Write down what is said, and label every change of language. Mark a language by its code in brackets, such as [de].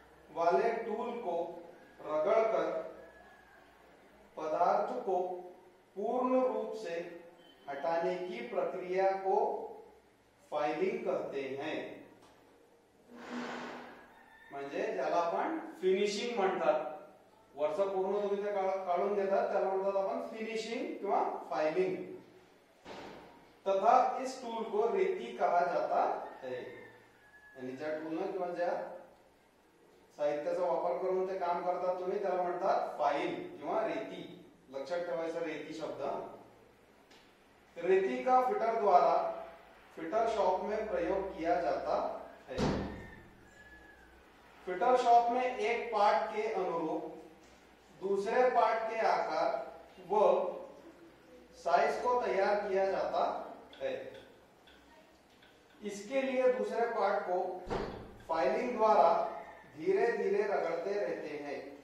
[hi] वाले टूल को रगड़कर पदार्थ को पूर्ण रूप से हटाने की प्रक्रिया को फाइलिंग कहते हैं, [mr] म्हणजे ज्याला आपण फिनिशिंग म्हणतात, वर्ष पूर्ण होऊन ते काढून देतात त्याला म्हणतात आपण फिनिशिंग किंवा फाइलिंग, [hi] तथा इस टूल को रेती कहा जाता है, [mr] आणि ज्या टूलनं किंवा ज्या साहित्याचा वापर करून ते काम करतात तुम्ही त्याला म्हणतात फाइल किंवा रेती, लक्षात ठेवायचा रेती शब्द। [hi] रेती का फिटर द्वारा फिटर शॉप में प्रयोग किया जाता है, फिटर शॉप में एक पार्ट के अनुरूप दूसरे पार्ट के आकार व साइज को तैयार किया जाता है, इसके लिए दूसरे पार्ट को फाइलिंग द्वारा धीरे धीरे रगड़ते रहते हैं।